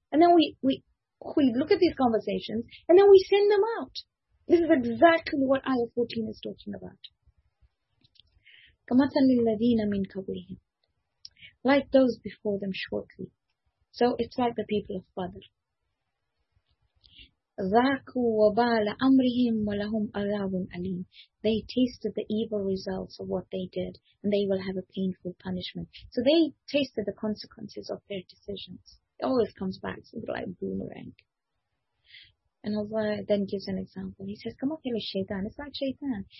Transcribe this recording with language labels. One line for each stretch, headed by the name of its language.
English: And then we look at these conversations, and then we send them out. This is exactly what Ayah 14 is talking about.
Arabic: كَمَثَلِ الَّذِينَ مِنْ قَبْلِهِمْ.
English: Like those before them shortly. So it's like the people of Badr.
Arabic: ذاقوا وبال أمرهم ولهم عذاب أليم.
English: They tasted the evil results of what they did, and they will have a painful punishment. So they tasted the consequences of their decisions. It always comes back, so they're like boomerang. And Allah then gives an example. He says, "Come up here, Shaitan. It's like Shaitan.